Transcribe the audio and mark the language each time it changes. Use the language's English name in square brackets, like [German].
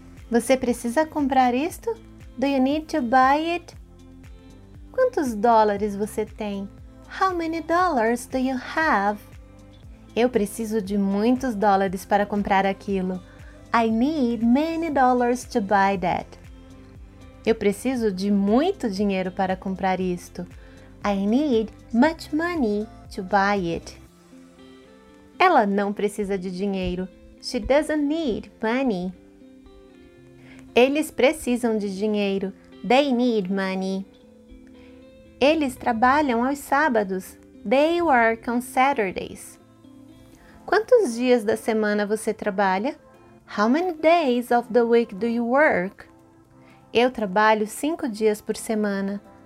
[Portuguese] Você precisa comprar isto? [English] Do you need to buy it? [Portuguese] Quantos dólares você tem? [English] How many dollars do you have? [Portuguese] Eu preciso de muitos dólares para comprar aquilo. [English] I need many dollars to buy that. [Portuguese] Eu preciso de muito dinheiro para comprar isto. [English] I need much money to buy it. [Portuguese] Ela não precisa de dinheiro. [English] She doesn't need money. [Portuguese] Eles precisam de dinheiro. [English] They need money. [Portuguese] Eles trabalham aos sábados. [English] They work on Saturdays. [Portuguese] Quantos dias da semana você trabalha? [English] How many days of the week do you work? [Portuguese] Eu trabalho 5 dias por semana.